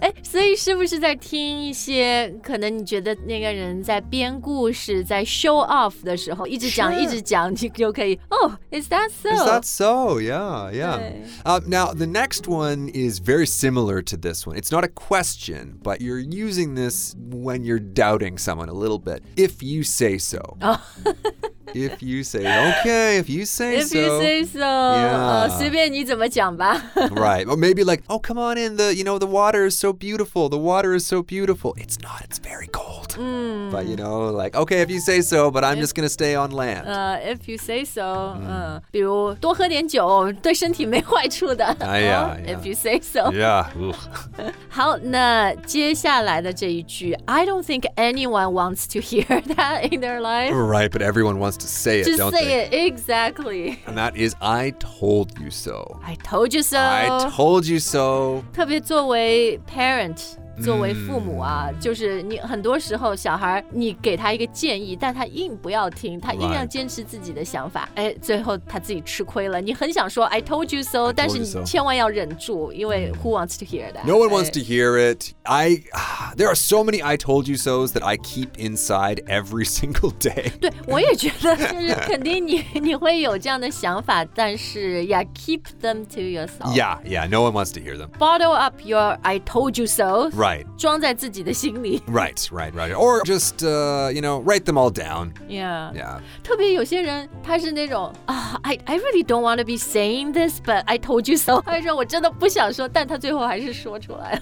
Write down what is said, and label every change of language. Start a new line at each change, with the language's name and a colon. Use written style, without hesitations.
Chinese: 所以是不是在听一些可能你觉得那个人在编故事在 show off 的时候一直讲、
English: sure.
Chinese: 一直讲你就可以
English: Oh, is that so? Is that so? Yeah, yeah. Now, the next one is very similar to this one. It's not a question, but you're using this when you're doubting someone a little bit. If you say so. If you say, okay, if you say if so. If you say so. Yeah.
Chinese: 随便你怎么讲吧。
English: Right. Or maybe like, oh, come on in. The water is so beautiful. The water is so beautiful. It's not. It's very cold. But, you know, like, okay, if you say so, but I'm just going to stay on land. If you say so.
Chinese: 比如多喝点酒对身体没坏处的。
English: If you say so. Yeah.
Chinese: 好那接下来的这一句
English: I don't think anyone wants to hear that in their life. Right, but everyone wants to say it, don't they? To say it, exactly. And that is, I told you so. I told you so. I told you so.
Chinese: 特别作为 parent,作为父母啊、就是你很多时候小孩你给他一个建议但他硬不要听他硬要坚持自己的想法、
English: right.
Chinese: 最后他自己吃亏了你很想说 I told you so 但是你千万要忍住因为
English: who wants to hear that no one wants to hear it there are so many I told you so's that I keep inside every single day
Chinese: 对我也觉得就是肯定 你会有这样的想法但是 yeah
English: keep them to yourself yeah yeah no one wants to hear them bottle up your I told you so Right.
Chinese: 装在自己的心里。
English: Right, right, right. Or just, write them all down. Yeah. Yeah.
Chinese: 特别有些人他是那种、
English: I really don't want to be saying this, but I told you so.
Chinese: 他说我真的不想说但他最后还是说出来了。